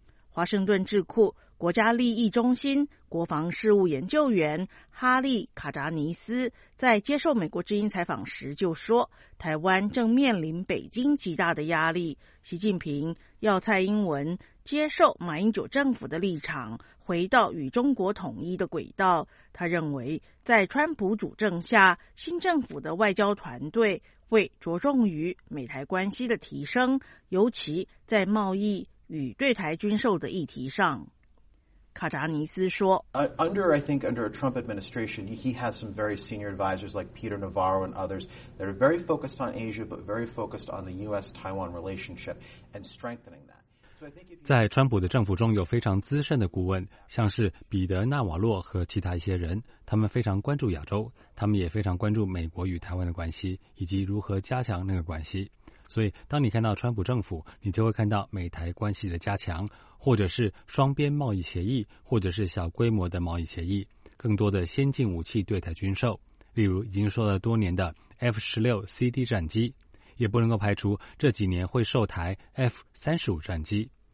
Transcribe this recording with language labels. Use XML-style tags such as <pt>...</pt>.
<zh>华盛顿智库国家利益中心国防事务研究员哈利·卡扎尼斯在接受美国之音采访时就说，台湾正面临北京极大的压力，习近平要蔡英文接受马英九政府的立场，回到与中国统一的轨道。他认为在川普主政下，新政府的外交团队会着重于美台关系的提升，尤其在贸易与对台军售的议题上。卡扎尼斯说，</zh> <en>I think under a Trump administration, he has some very senior advisors like Peter Navarro and others that are very focused on Asia, but very focused on the U.S.-Taiwan relationship and strengthening that.</en> <zh>在川普的政府中有非常资深的顾问，像是彼得·纳瓦洛和其他一些人，他们非常关注亚洲，他们也非常关注美国与台湾的关系以及如何加强那个关系。所以当你看到川普政府，你就会看到美台关系的加强，或者是双边贸易协议，或者是小规模的贸易协议，更多的先进武器对台军售，例如已经说了多年的 F-16CD 战机，也不能够排除这几年会售台 F-35 战机。</zh>